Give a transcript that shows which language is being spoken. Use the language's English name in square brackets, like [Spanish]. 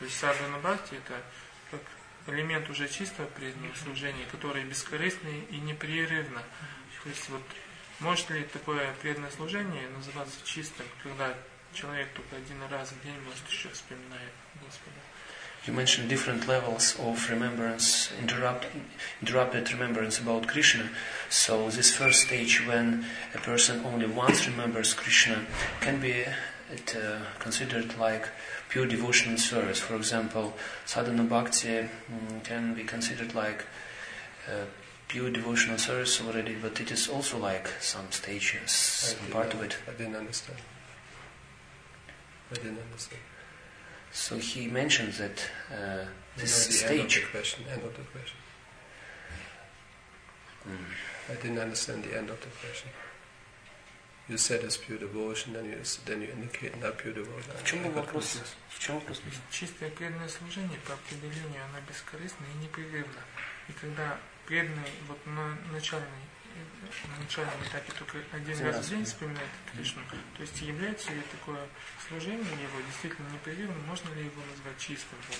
[Russian] То есть садхана бхакти это как элемент уже чистого преданного служения, которое бескорыстно и непрерывно. То есть вот может ли такое преданное служение называться чистым, когда человек только один раз в день может еще вспоминает Господа? [English] You mentioned different levels of remembrance, interrupted remembrance about Krishna. So this first stage, when a person only once remembers Krishna, can be considered like pure devotional service. For example, sadhana bhakti can be considered like pure devotional service already, but it is also like some stages, some part of it. I didn't understand. So he mentions that this the stage. End of the question. I didn't understand the end of the question. You said it's pure devotion, then you indicate not pure devotion. [Russian] В чем вопрос? В чем вопрос? Чистое преданное служение по определению оно бескорыстно и непрерывно. И когда преданный вот на начальном этапе только один раз в день вспоминает Кришну. Mm-hmm. То есть является ли такое служение его действительно непрерывным, можно ли его назвать чистым?